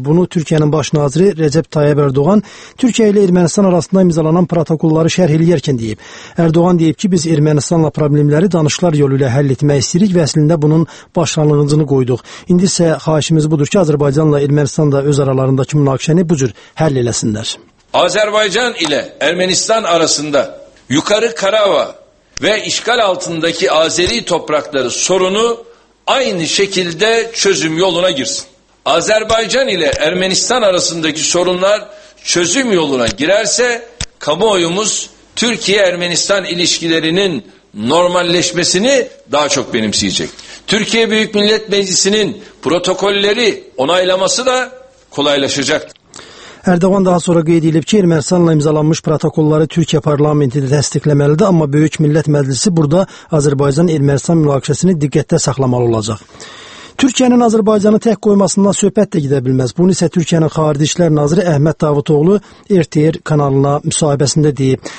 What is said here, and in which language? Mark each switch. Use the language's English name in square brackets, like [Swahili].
[Azerbaijani] Bunu Türkiyənin baş naziri Rəcəb Tayyip Erdoğan Türkiyə ilə Ermənistan arasında imzalanan protokolları şərh eləyərkən deyib. Erdoğan deyib ki, biz Ermənistanla problemləri danışıqlar yolu ilə həll etmək istəyirik və əslində bunun başlanğıcını qoyduq. İndi isə xahişimiz budur ki, Azərbaycanla Ermənistan da öz aralarındakı münaqişəni bu cür həll eləsinlər. [Turkish] Azərbaycan ilə Ermənistan arasında Yukarı Qarabağ ve işgal altındaki Azeri toprakları sorunu aynı şekilde çözüm yoluna girsin. Azerbaycan ile Ermenistan arasındaki sorunlar çözüm yoluna girerse kamuoyumuz Türkiye-Ermenistan ilişkilerinin normalleşmesini daha çok benimseyecek. Türkiye Büyük Millet Meclisi'nin protokolleri onaylaması da kolaylaşacaktır. [Azerbaijani] Erdoğan daha sonra qeyd edib ki, Ermənistanla imzalanmış protokolları Türkiyə parlamenti də təsdiqləməlidir, amma Böyük Millət Məclisi burada Azərbaycan-Ermənistan münaqişəsini diqqətdə saxlamalı olacaq. Türkiyənin Azərbaycanı tək qoymasından söhbət də gedə bilməz. Bunu isə Türkiyənin Xarici İşlər Naziri Əhməd Davutoğlu RTR kanalına müsahibəsində deyib.